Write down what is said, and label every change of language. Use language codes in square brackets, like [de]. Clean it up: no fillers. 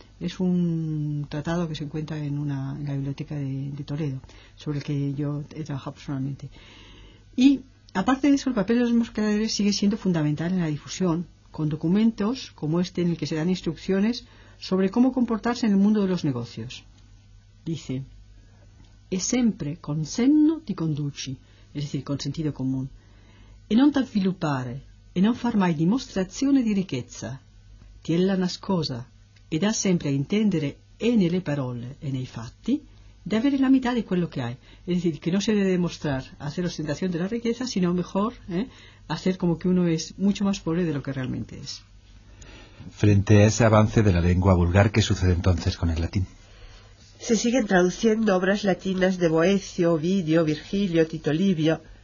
[es] Es un tratado que se encuentra en la biblioteca de Toledo, sobre el que yo he trabajado personalmente. Y, aparte de eso, el papel de los mercaderes sigue siendo fundamental en la difusión, con documentos como este en el que se dan instrucciones sobre cómo comportarse en el mundo de los negocios. [it] Dice, «E sempre con senno ti conduci», [es] es decir, con sentido común, [it] «e non t'avviluppare», e non far mai dimostrazione di ricchezza, tiella nascosa, e da sempre a intendere, e nelle parole e nei fatti, di avere la metà di quello che hai. [es] Es decir, que no se debe demostrar hacer ostentación de la riqueza, sino mejor hacer como que uno es mucho más pobre de lo que realmente es. Frente a ese avance de la lengua vulgar, ¿qué sucede entonces con el latín? Se siguen traduciendo obras latinas de Boecio, Ovidio, Virgilio, Tito Livio.